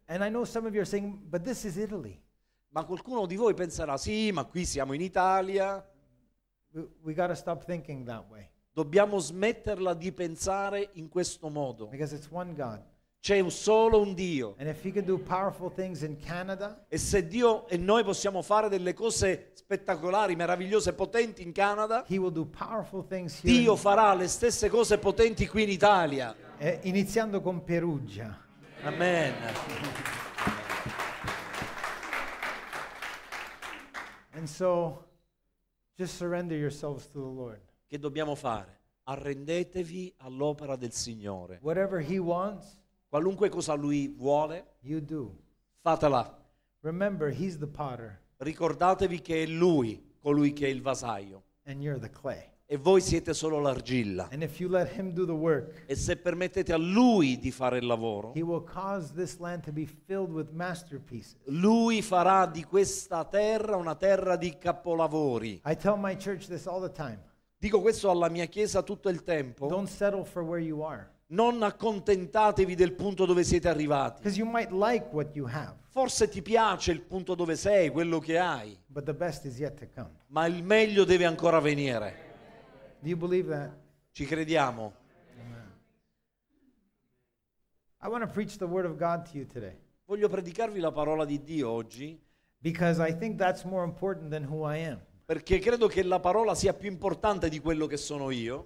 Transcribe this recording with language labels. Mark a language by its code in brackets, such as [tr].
[en] And I know some of you are saying, but this is Italy. [it] Ma qualcuno di voi penserà, sì, ma qui siamo in Italia. [en] We gotta stop thinking that way. [it] Dobbiamo smetterla di pensare in questo modo. [en] Because it's one God. [it] C'è solo un Dio. [en] And if he can do powerful things in Canada, [it] e se Dio e noi possiamo fare delle cose spettacolari, meravigliose, potenti in Canada, [en] he will do powerful things here. [it] Dio farà le stesse cose potenti qui in Italia. Iniziando con Perugia. Amen. [en] And so, just surrender yourselves to the Lord. [it] Che dobbiamo fare? Arrendetevi all'opera del Signore. [en] Whatever he wants, [it] qualunque cosa lui vuole, [en] you do. [it] Fatela. [en] Remember, he's the potter. [it] Ricordatevi che è lui colui che è il vasaio. [en] And you're the clay. [it] E voi siete solo l'argilla. [en] And if you let him do the work, [it] e se permettete a lui di fare il lavoro, [en] he will cause this land to be filled with masterpieces. [it] Lui farà di questa terra una terra di capolavori. [en] I tell my church this all the time. [it] Dico questo alla mia chiesa tutto il tempo. [en] Don't settle for where you are. [it] Non accontentatevi del punto dove siete arrivati. [en] You might like what you have. [it] Forse ti piace il punto dove sei, quello che hai. [en] But the best is yet to come. [it] Ma il meglio deve ancora venire. [en] Do you believe that? [it] Ci crediamo? [en] I want to preach the word of God to you today. [it] Voglio predicarvi la parola di Dio oggi. [en] Because I think that's more important than who I am. [it] Perché credo che la parola sia più importante di quello che sono io.